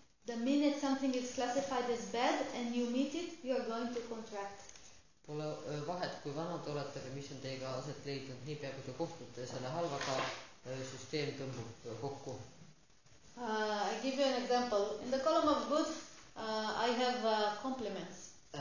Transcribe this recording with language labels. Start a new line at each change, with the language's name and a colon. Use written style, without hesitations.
English: The minute something is classified as bad and you meet it, you are going to contract.
Estonian: Pole vahet, kui vanad olete või mis on teiga aset leidnud, nii pea kui te kohtute selle halvaga, süsteem tõmbub kokku.
English: I give you an example. In the column of good, I have compliments.